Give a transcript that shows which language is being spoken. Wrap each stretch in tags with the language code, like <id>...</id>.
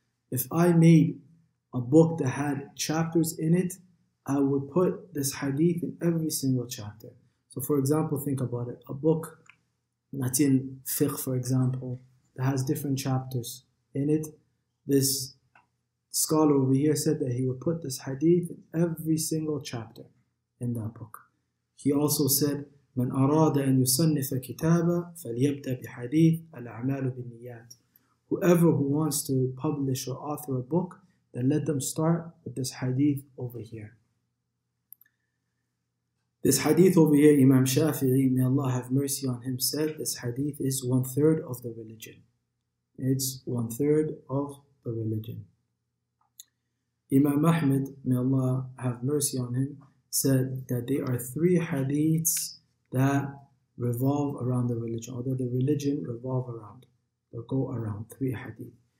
<en>If I made a book that had chapters in it, I would put this hadith in every single chapter. So for example, think about it. A book that's in fiqh, for example, that has different chapters in it, this scholar over here said that he would put this hadith in every single chapter in that book. He also said,</en> <ar>من أراد أن يصنف كتابا فليبدأ بحديث الأعمال بالنيات.</ar> <en>Whoever who wants to publish or author a book, then let them start with this hadith over here. This hadith over here, Imam Shafi'i, may Allah have mercy on him, said this hadith is one third of the religion. It's one third of the religion. Imam Ahmed, may Allah have mercy on him, said that there are three hadiths that revolve around the religion, or that the religion revolve around, or go around, three hadith.</en>